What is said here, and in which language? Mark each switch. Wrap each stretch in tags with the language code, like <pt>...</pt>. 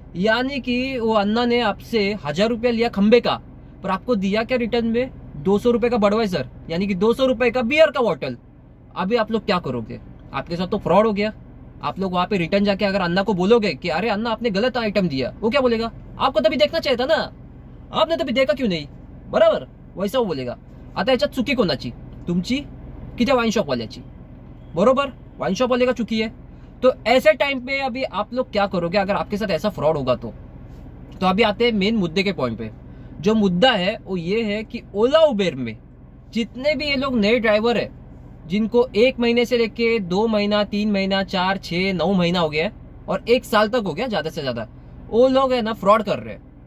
<hi>यानी कि वो अन्ना ने आपसे 1000 रुपया लिया खंबे का, पर आपको दिया क्या रिटर्न में, 200 रुपये का बडवाइजर, यानी कि 200 रुपये का बियर का बोतल. अभी आप लोग क्या करोगे, आपके साथ तो फ्रॉड हो गया. आप लोग वहां पे रिटर्न जाके अगर अन्ना को बोलोगे कि अरे अन्ना आपने गलत आइटम दिया, वो क्या बोलेगा, आपको तभी देखना चाहिए था ना, आपने तभी देखा क्यों नहीं, बराबर वैसा वो बोलेगा.</hi> <mr>आता याच्यात चुकी कोणाची, तुमची कि त्या वाइन शॉप वाल्याची, बरोबर वाइन शॉप</mr> <hi>वाले का चुकी है. तो ऐसे टाइम पे अभी आप लोग क्या करोगे अगर आपके साथ ऐसा फ्रॉड होगा तो. तो अभी आते हैं मेन मुद्दे के पॉइंट पे. जो मुद्दा है वो ये है कि ओला उबेर में जितने भी ये लोग नए ड्राइवर है, जिनको 1 महीने से लेके 2 महीना, 3 महीना, 4, 6, 9 महीना हो गया है, और 1 साल तक हो गया ज्यादा से ज्यादा, वो लोग है ना फ्रॉड कर रहे हैं.</hi>